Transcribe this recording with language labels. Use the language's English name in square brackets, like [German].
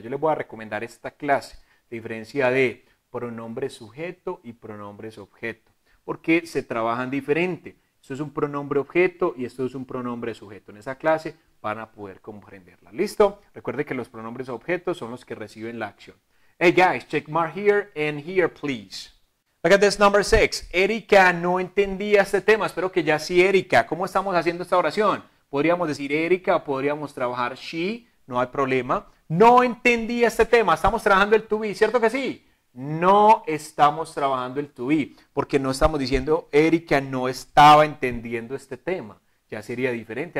[Spanish] Yo les voy a recomendar esta clase, diferencia de pronombre sujeto y pronombres objeto, porque se trabajan diferente. Esto es un pronombre objeto y esto es un pronombre sujeto. En esa clase van a poder comprenderla. ¿Listo? Recuerde que los pronombres objetos son los que reciben la acción. [English] Hey, guys, check mark here and here, please. Look at this number 6. [Spanish] Erika no entendía este tema. Espero que ya sí, Erika. ¿Cómo estamos haciendo esta oración? Podríamos decir Erika, podríamos trabajar she, no hay problema. No entendía este tema. Estamos trabajando el to be, ¿cierto que sí? No estamos trabajando el to be, porque no estamos diciendo Erika no estaba entendiendo este tema. ya sería diferente.